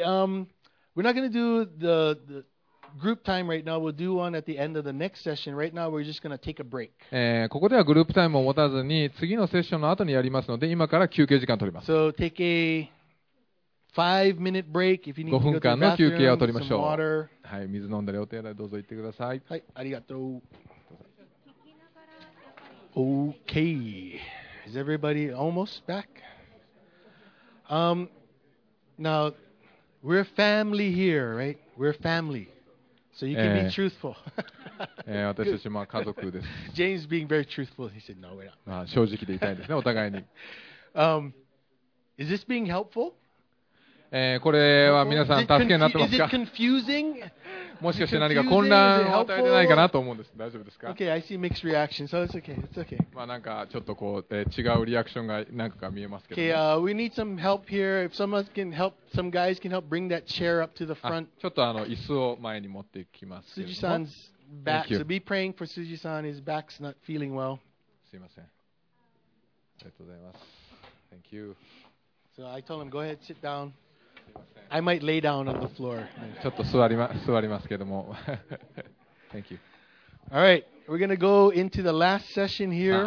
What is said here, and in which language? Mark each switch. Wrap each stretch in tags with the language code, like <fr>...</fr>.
<en>We're not going to do the group time right now. We'll do one at the end of the next session. Right now, we're just going to take a break.</en> <ja>ここではグループタイムを持たずに次のセッションの後にやりますので、今から休憩時間を取ります。</ja> <en>So take a 5-minute break if you need to go to the</en> <ja>5分間の休憩を取りましょう。</ja> <en>Some water.</en> <ja>はい、水飲んだりお手洗いどうぞ行ってください。はい、ありがとう。</ja> <en>Okay. Is everybody almost back? Now, we're family here, right? We're family. So you can be truthful.</en> <ja>私たちも家族です。</ja> <en>James being very truthful, he said, no, we're not.</en> <ja>正直でいたいですね、お互いに。</ja> <en>Is this being helpful?</en> <ja>これは皆さん助けになってますか?</ja> <en>Is it confusing?</en> <ja>もしかして何か混乱を与えてないかなと思うんです。大丈夫ですか?</ja> <en>Okay, I see mixed reaction, so it's okay. It's okay.</en> <ja>まあなんかちょっとこう、違うリアクションが何かが見えますけど、ね。</ja> <en>Okay, we need some help here. If someone can help, some guys can help bring that chair up to the front.</en> <ja>ちょっとあの椅子を前に持ってきますけども。</ja> <en>Suji-san's back. So be praying for Suji-san. His back's not feeling well.</en> <ja>すいません。ありがとうございます。</ja> <en>Thank you. So I told him, go ahead, sit down. I might lay down on the floor.</en> <ja>ちょっと座りますけども。</ja> <en>Thank you. All right, we're gonna go into the last session here.</en>